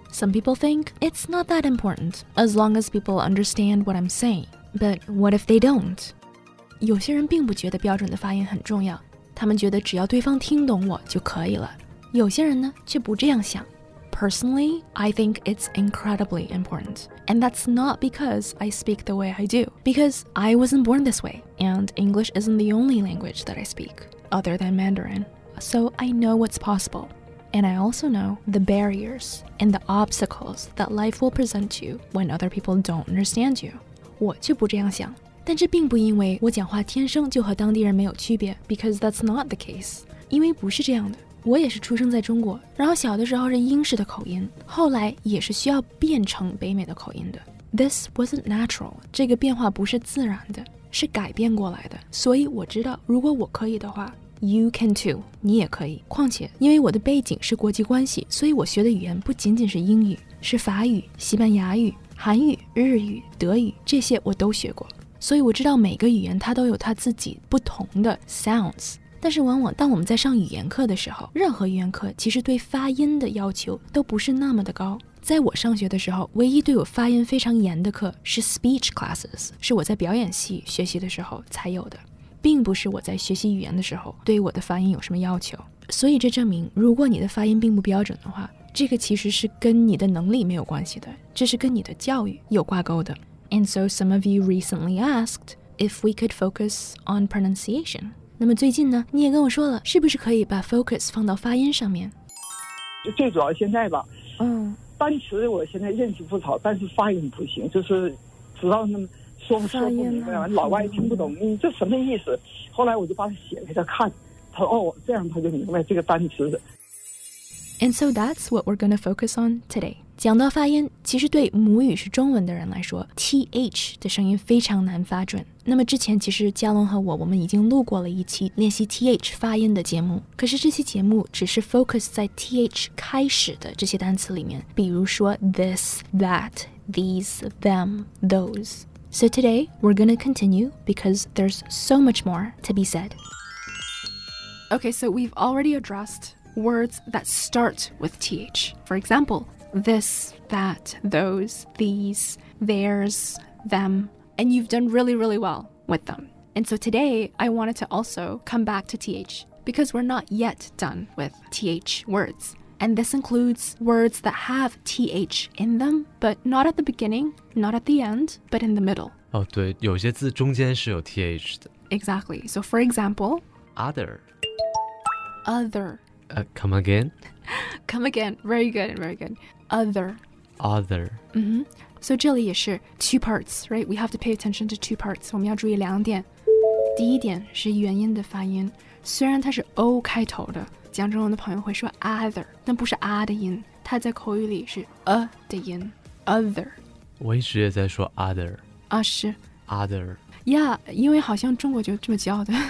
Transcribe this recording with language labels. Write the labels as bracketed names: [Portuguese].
[English] Some people think it's not that important, as long as people understand what I'm saying. But what if they don't? [Chinese] 有些人并不觉得标准的发音很重要，他们觉得只要对方听懂我就可以了。有些人呢，却不这样想。 [English] Personally, I think it's incredibly important. And that's not because I speak the way I do. Because I wasn't born this way, and English isn't the only language that I speak, other than Mandarin. So I know what's possible. And I also know the barriers and the obstacles that life will present to you when other people don't understand you. [Chinese] 我却不这样想。但这并不因为我讲话天生就和当地人没有区别， [English] because that's not the case. [Chinese] 因为不是这样的。我也是出生在中国，然后小的时候是英式的口音，后来也是需要变成北美的口音的。 [English] This wasn't natural. [Chinese] 这个变化不是自然的，是改变过来的。所以我知道，如果我可以的话， [English] You can too. [Chinese] 你也可以。况且因为我的背景是国际关系，所以我学的语言不仅仅是英语，是法语、西班牙语、韩语、日语、德语，这些我都学过。所以我知道每个语言它都有它自己不同的 sounds。但是往往当我们在上语言课的时候，任何语言课其实对发音的要求都不是那么的高。在我上学的时候，唯一对我发音非常严的课是 speech classes， 是我在表演系学习的时候才有的，并不是我在学习语言的时候对我的发音有什么要求。所以这证明，如果你的发音并不标准的话，这个其实是跟你的能力没有关系的，这是跟你的教育有挂钩的。 [English] And so some of you recently asked if we could focus on pronunciation. [Chinese] 那么最近呢，你也跟我说了，是不是可以把 focus 放到发音上面？最主要现在吧，嗯，单词我现在认识不少，但是发音不行，就是知道那么说不说不明白，老外听不懂，你这什么意思？后来我就把它写给他看，他说哦，这样他就明白这个单词的。 [English] And so that's what we're going to focus on today. [Chinese] 讲到发音，其实对母语是中文的人来说， TH 的声音非常难发准。那么之前其实嘉龙和我们已经录过了一期练习 TH 发音的节目，可是这期节目只是 focus 在 TH 开始的这些单词里面，比如说 this, that, these, them, those. [English] So today, we're going to continue because there's so much more to be said. Okay, so we've already addressed... words that start with th. For example, this, that, those, these, theirs, them. And you've done really, really well with them. And so today, I wanted to also come back to th, because we're not yet done with th words. And this includes words that have th in them, but not at the beginning, not at the end, but in the middle. [Chinese] Oh, 对，有些字中间是有 th 的。 [English] Exactly. So for example, other. Other. Come again? Come again. Very good, very good. Other. Other. Mm-hmm. So [Chinese] 这里也是 [English] two parts, right? We have to pay attention to two parts. [Chinese] 我们要注意两点。第一点是元音的发音。虽然它是 O 开头的，讲中文的朋友会说 other, 但不是 A 的音。它在口语里是 A 的音。Other. 我一直也在说 other. 啊，是。 [English] Other. [Chinese] Yeah, 因为好像中国就这么叫的。